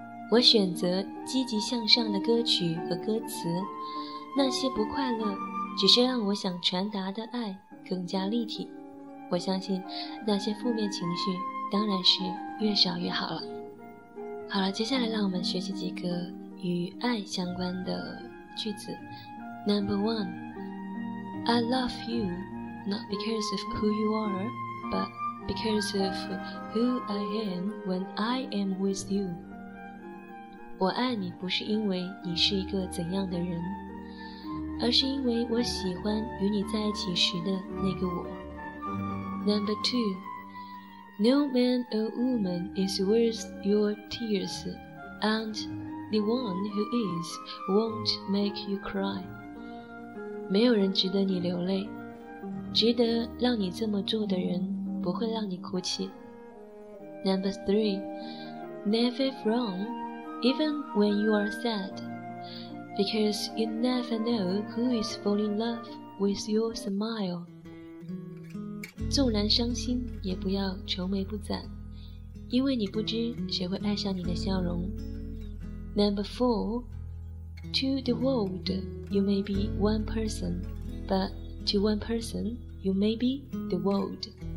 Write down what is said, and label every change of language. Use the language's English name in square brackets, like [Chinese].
[Chinese] 我选择积极向上的歌曲和歌词，那些不快乐只是让我想传达的爱更加立体。我相信那些负面情绪当然是越少越好了。好了，接下来让我们学习几个与爱相关的句子。 [English] Number one, I love you not because of who you are but because of who I am when I am with you。 [Chinese] 我爱你不是因为你是一个怎样的人，而是因为我喜欢与你在一起时的那个我。 [English] Number two, No man or woman is worth your tears, and the one who is won't make you cry。 [Chinese] 没有人值得你流泪，值得让你这么做的人不会让你哭泣。 [English] Number three, Never frown, even when you are sad,Because you never know who is falling in love with your smile。 [Chinese] 纵然伤心也不要愁眉不展，因为你不知谁会爱上你的笑容。 [English] Number four, To the world you may be one person But to one person you may be the world。